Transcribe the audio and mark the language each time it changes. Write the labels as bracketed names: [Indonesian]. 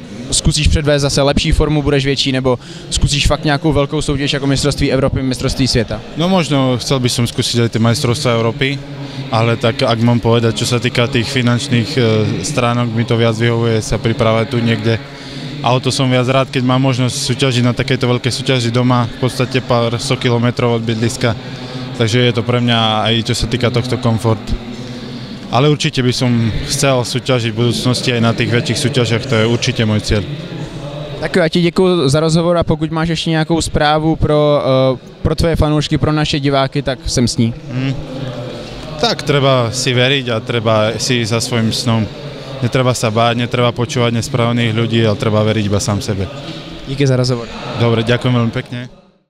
[Czech] zkusíš předvést zase lepší formu, budeš větší, nebo zkusíš fakt nějakou velkou soutěž jako mistrovství Evropy, mistrovství světa? No možno, chcel bych zkusit ty mistrovství Evropy, ale tak, jak mám povedat, co se týká těch finančních stránok, mi to víc vyhovuje se připravit tu někde. [Slovak] A o to som viac rád, keď mám možnosť súťažiť na takejto veľkej súťaži doma, v podstate pár 100 kilometrov od bydliska. Takže je to pre mňa aj čo sa týka tohto komfort. Ale určite by som chcel súťažiť v budúcnosti aj na tých väčších súťažiach, to je určite môj cieľ. [Czech] Tak jo, já ti děkuju za rozhovor a pokud máš ještě nějakou zprávu pro tvoje fanoušky, pro naše diváky, tak jsem s ní. [Slovak] Tak treba si veriť a treba si ísť za svojím snom. Netreba sa báť, netreba počúvať nesprávnych ľudí, ale treba veriť iba sám sebe. [Czech] Díky za rozhovor. [Slovak] Dobre, ďakujem veľmi pekne.